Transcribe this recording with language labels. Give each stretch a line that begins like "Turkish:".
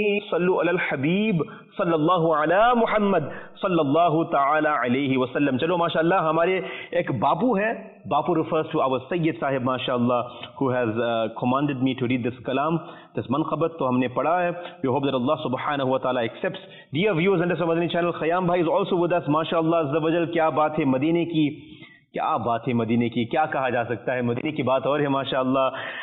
Arabic: صلوا علی الحبیب صلی اللہ علی محمد صلی اللہ تعالی علیہ وسلم.
Urdu: چلو ماشاءاللہ, ہمارے ایک بابو ہیں, بابو
English: refers to our
Urdu: سید صاحب ماشاءاللہ,
English: who has commanded me to read this
Urdu: کلام, this منقبت. تو ہم نے پڑھا ہے,
English: we hope that Allah subhanahu wa ta'ala accepts. Dear viewers, and this is our channel. Khayyam bhai is also with us ماشاءاللہ عزوجل.
Urdu: کیا بات ہے مدینے کی, کیا بات ہے مدینے کی, کیا کہا جا سکتا ہے, مدینے کی بات اور ہے ماشاء اللہ.